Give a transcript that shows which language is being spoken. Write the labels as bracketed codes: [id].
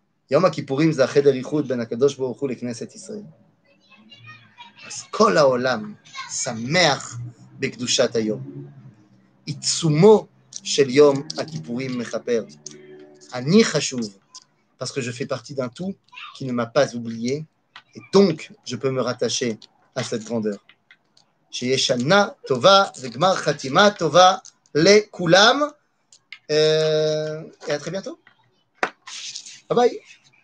[he] יום הכיפורים זה החדר איחוד בין הקדוש ברוך הוא לכנסת ישראל. אז כל העולם שמח בקדושת היום. עיצומו של יום הכיפורים מחפר. אני חשוב, [fr] parce que je fais partie d'un tout qui ne m'a pas oublié, et donc je peux me rattacher à cette grandeur. [he] שיהיה שנה טובה וגמר חתימה טובה לכולם. [fr] Et à très bientôt. [he] Bye bye.